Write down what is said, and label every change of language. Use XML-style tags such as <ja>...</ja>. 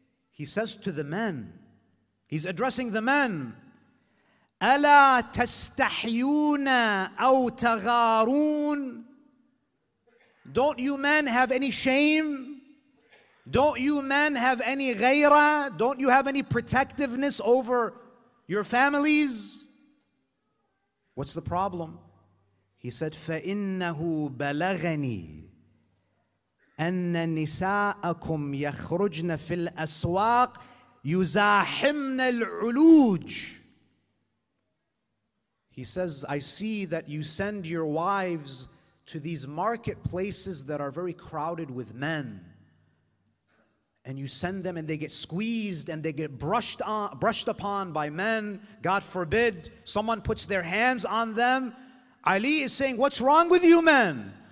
<en>He says to the men, he's addressing the men,</en> <ar>أَلَا تَسْتَحْيُونَ أَوْ تَغَارُونَ.</ar> <en>Don't you men have any shame? Don't you men have any غَيْرَة? Don't you have any protectiveness over your families? What's the problem? He said,</en> <ar>فَإِنَّهُ بَلَغَنِي أَنَّ نِسَاءَكُمْ يَخْرُجْنَ فِي الْأَسْوَاقِ يُزَاحِمْنَ الْعُلُوجِ.</ar> <en>He says, I see that you send your wives to these marketplaces that are very crowded with men. And you send them and they get squeezed and they get brushed upon by men. God forbid, someone puts their hands on them. Ali is saying, what's wrong with you men?</en>